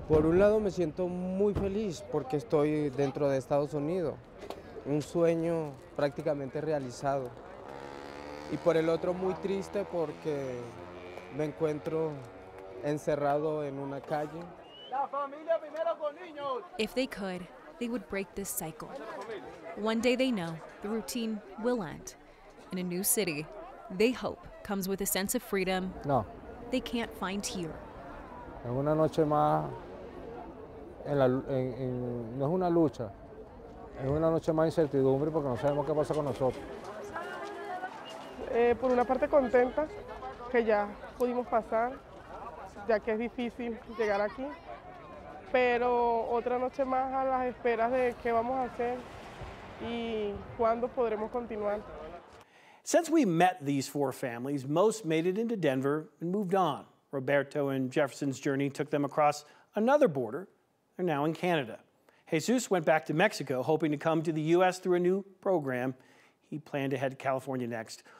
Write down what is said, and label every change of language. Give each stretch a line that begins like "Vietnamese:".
Spanish: Por un lado me siento muy feliz porque estoy dentro de Estados Unidos. Un sueño prácticamente realizado. Y por el otro muy triste porque me encuentro encerrado en una calle.
English: If they could, they would break this cycle. One day they know the routine will end. In a new city, they hope comes with a sense of freedom. No. They can't find here.
Spanish: Es una noche más no es una lucha. Es una noche más incertidumbre porque no sabemos qué pasa con nosotros. Por una parte contenta que ya pudimos pasar, ya que es difícil llegar aquí. Pero otra noche más a las esperas de qué vamos a hacer y cuándo podremos continuar.
English: Since we met these four families, most made it into Denver and moved on. Roberto and Jefferson's journey took them across another border. They're now in Canada. Jesus went back to Mexico, hoping to come to the U.S. through a new program. He planned to head to California next.